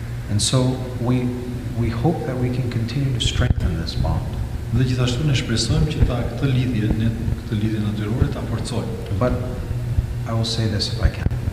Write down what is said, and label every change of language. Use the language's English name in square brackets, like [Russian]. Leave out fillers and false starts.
[English] And so we hope that we can continue to strengthen this bond. [Albanian] Dhe gjithashtu ne shpresojmë që ta këtë lidhje natyrore ta forcojmë. [English] But I will say this if I can.